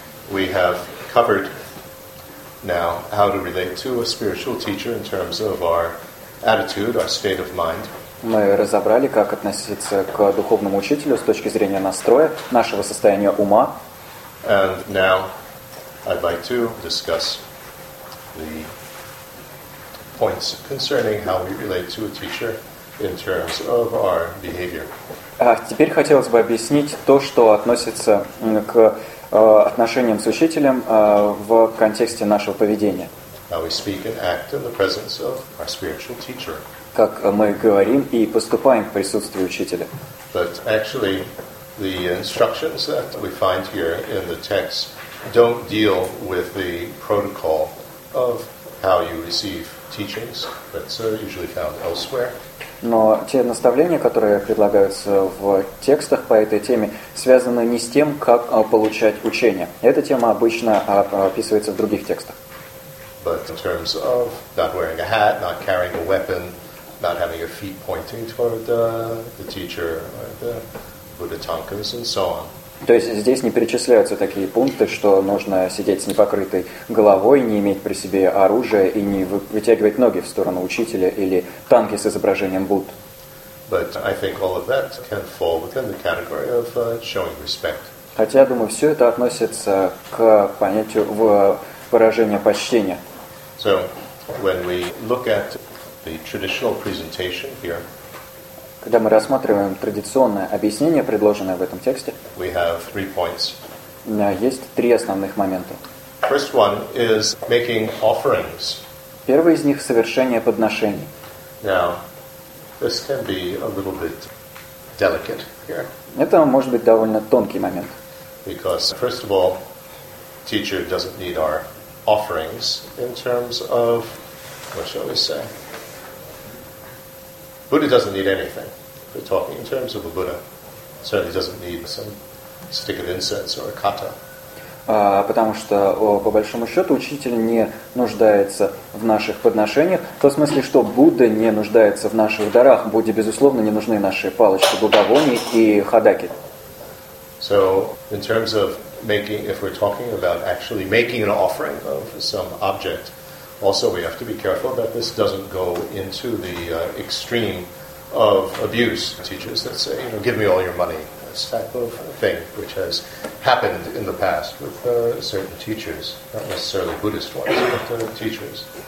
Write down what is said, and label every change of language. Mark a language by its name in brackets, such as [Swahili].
[English] we have covered now how to relate to a spiritual teacher in terms of our attitude, our state of mind. [Russian] Мы разобрали, как относиться к духовному учителю с точки зрения настроя, нашего состояния ума. [English] And now I'd like to discuss the points concerning how we relate to a teacher in terms of our behavior. [Russian] Теперь хотелось бы объяснить то, что относится к отношениям с учителем в контексте нашего поведения. [English] How we speak and act in the presence of our spiritual teacher. [Russian] Как мы говорим и поступаем в присутствии учителя. [English] But actually, the instructions that we find here in the text don't deal with the protocol of how you receive teachings. That's usually found elsewhere. [Russian] Но те наставления, которые предлагаются в текстах по этой теме, связаны не с тем, как получать учение. Эта тема обычно описывается в других текстах. [English] But in terms of not wearing a hat, not carrying a weapon, not having your feet pointing toward the teacher or the Buddha tankas and so on. [Russian] То есть здесь не перечисляются такие пункты, что нужно сидеть с непокрытой головой, не иметь при себе оружия и не вытягивать ноги в сторону учителя или танки с изображением Будд. [English] But I think all of that can fall within the category of showing respect. [Russian] Хотя, думаю, все это относится к понятию выражения почтения. [English] So, when we look at the traditional presentation here. [Russian] Когда мы рассматриваем традиционное объяснение, предложенное в этом тексте, [English] we have 3 points. [Russian] Есть три основных момента. [English] First one is making offerings. [Russian] Первый из них — совершение подношений. [English] Now, this can be a little bit delicate here. [Russian] Это может быть довольно тонкий момент. [English] Because, first of all, teacher doesn't need our offerings in terms of, what shall we say? Buddha doesn't need anything. We're talking in terms of a Buddha. Certainly doesn't need some stick of incense or a kata. [Russian] Потому что, по большому счету, учитель не нуждается в наших подношениях, в том смысле, что Будда не нуждается в наших дарах. Будде, безусловно, не нужны наши палочки благовоний и хадаки. [English] So, in terms of making, if we're talking about actually making an offering of some object, also, we have to be careful that this doesn't go into the extreme of abuse. Teachers that say, you know, give me all your money. This type of thing, which has happened in the past with certain teachers, not necessarily Buddhist ones, but teachers.